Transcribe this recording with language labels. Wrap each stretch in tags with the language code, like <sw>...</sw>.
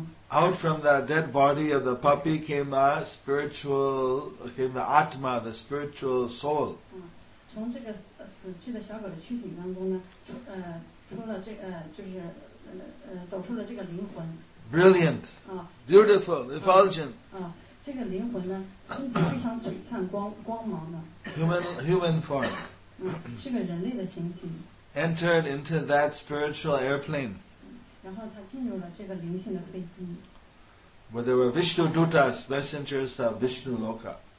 <en>Out from the dead body of the puppy came the spiritual, came the Atma, the spiritual soul.</en> <zh>从这个死去的小狗的躯体当中呢，走出了这个灵魂。</zh> <en>Brilliant. Beautiful, effulgent.</en> <zh>这个灵魂呢，身体非常璀璨光芒的。</zh> <en>Human form.</en> <zh>是个人类的形体。</zh> <en>Entered into that spiritual airplane.</en> <zh>然后他进入了这个灵性的飞机。</zh> <en>Where there were Vishnu Dutas, messengers of Vishnu Loka.</en>